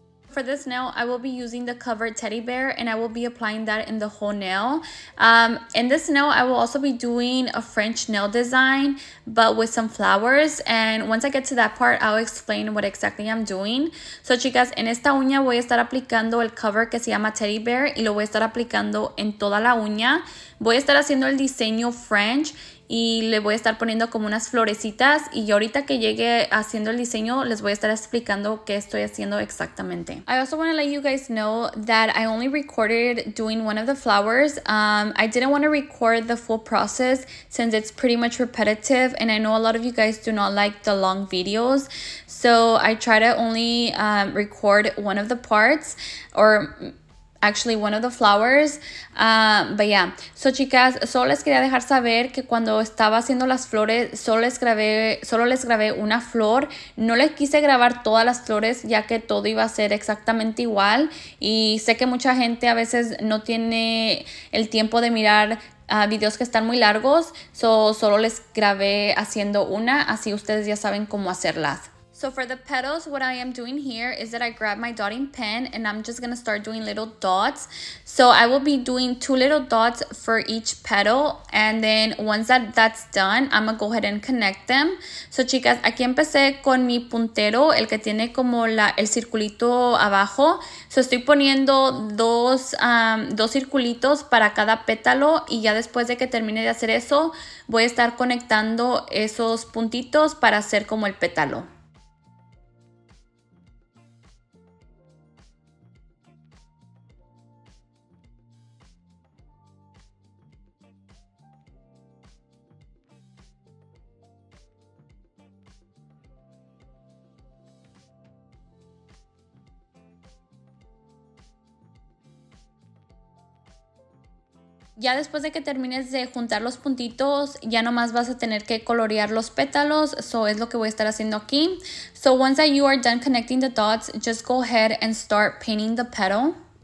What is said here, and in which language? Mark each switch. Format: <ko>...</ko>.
<en>For this nail, I will be using the cover Teddy Bear, and I will be applying that in the whole nail. In this nail, I will also be doing a French nail design, but with some flowers. And once I get to that part, I'll explain what exactly I'm doing.</en> <es>So, chicas, en esta uña voy a estar aplicando el cover que se llama Teddy Bear, y lo voy a estar aplicando en toda la uña. Voy a estar haciendo el diseño French, y le voy a estar poniendo como unas florecitas, y ahorita que llegue haciendo el diseño les voy a estar explicando qué estoy haciendo exactamente.</es> <en>I also want to let you guys know that I only recorded doing one of the flowers. I didn't want to record the full process since it's pretty much repetitive, and I know a lot of you guys do not like the long videos, so I try to only record one of the parts, or actually one of the flowers, but yeah.</en> <es>So chicas, solo les quería dejar saber que cuando estaba haciendo las flores solo les grabé una flor. No les quise grabar todas las flores ya que todo iba a ser exactamente igual, y sé que mucha gente a veces no tiene el tiempo de mirar videos que están muy largos, solo les grabé haciendo una, así ustedes ya saben cómo hacerlas.</es> <en>So for the petals, what I am doing here is that I grab my dotting pen and I'm just gonna start doing little dots. So I will be doing two little dots for each petal, and then once that's done, I'm gonna go ahead and connect them.</en> <es>So chicas, aquí empecé con mi puntero, el que tiene como el circulito abajo. So estoy poniendo dos circulitos para cada pétalo, y ya después de que termine de hacer eso, voy a estar conectando esos puntitos para hacer como el pétalo. Ya después de que termines de juntar los puntitos, ya nomás vas a tener que colorear los pétalos. So es lo que voy a estar haciendo aquí.</es> <en>So once that you are done connecting the dots, just go ahead and start painting the petal.</en>